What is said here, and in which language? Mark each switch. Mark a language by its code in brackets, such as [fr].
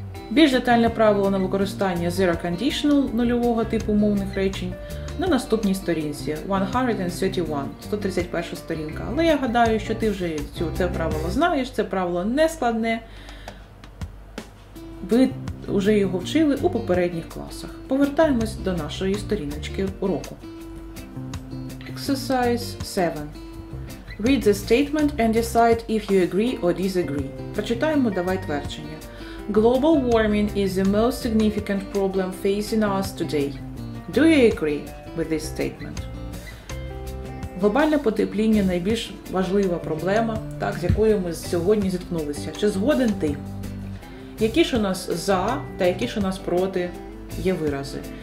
[uk] Більш детальне правило на використання zero conditional нульового типу умовних речень на наступній сторінці 131, 131 сторінка. Але я гадаю, що ти вже це правило знаєш, це правило нескладне. Ви вже його вчили у попередніх класах. Повертаємось до нашої сторіночки уроку. [en] Exercise 7. Read the statement and decide if you agree or disagree. [uk] Прочитаємо давай твердження. [en] Global warming is the most significant problem facing us today. Do you agree with this statement? [uk] Глобальне потепління – найбільш важлива проблема, так, з якою ми сьогодні зіткнулися. Чи згоден ти? Які ж у нас «за» та які ж у нас «проти» є вирази?